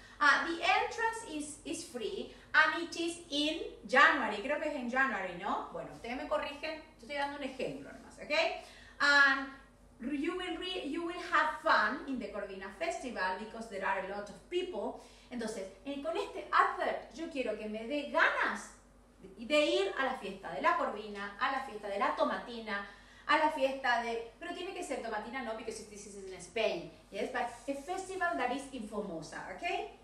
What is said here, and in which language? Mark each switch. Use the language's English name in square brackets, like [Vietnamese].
[English] The entrance is free and it is in January. [Spanish] Creo que es en January, ¿no? Bueno, ustedes me corrigen. Yo estoy dando un ejemplo nomás, okay? [English] And you will have fun in the Corvina Festival because there are a lot of people. [Spanish] Entonces, con este advert yo quiero que me dé ganas de ir a la fiesta de la Corvina, a la fiesta de la Tomatina, a la fiesta de... Pero tiene que ser Tomatina, no, [English] because this is in Spain. Yes, but a festival that is in Formosa, okay?